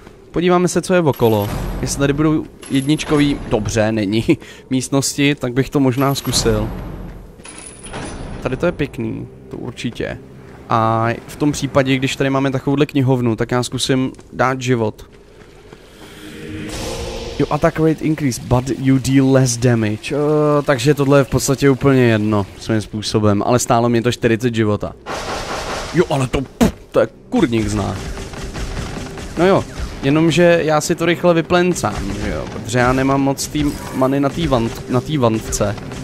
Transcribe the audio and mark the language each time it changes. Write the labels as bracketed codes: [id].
[cs] Podíváme se, co je okolo. Jestli tady budou jedničkový... Dobře, není místnosti, tak bych to možná zkusil. Tady to je pěkný, to určitě. A v tom případě, když tady máme takovouhle knihovnu, tak já zkusím dát život. [en] You attack rate increase, but you deal less damage. [cs] Takže tohle je v podstatě úplně jedno svým způsobem, ale stálo mě to 40 života. Jo, ale to, to je kurník zná. No jo, jenomže já si to rychle vyplencám, že jo, protože já nemám moc tý many na tý vantce.